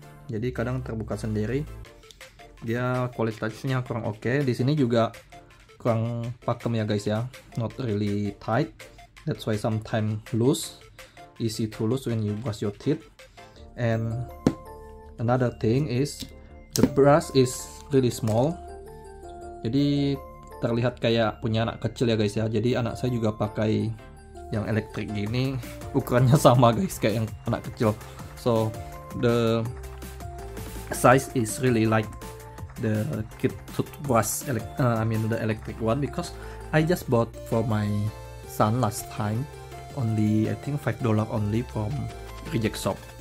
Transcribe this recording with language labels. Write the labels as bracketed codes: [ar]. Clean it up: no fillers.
[id] Jadi kadang terbuka sendiri. Dia kualitasnya kurang oke. Okay. Di sini juga kurang pakem ya guys ya. [en] Not really tight. That's why sometimes loose. Easy to lose when you brush your teeth. And another thing is the brush is really small. [id] Jadi terlihat kayak punya anak kecil ya guys ya. Jadi anak saya juga pakai yang elektrik gini, ukurannya sama guys kayak yang anak kecil. [en] So the size is really like the kid toothbrush the electric one, because I just bought for my son last time only I think $5 only from reject shop.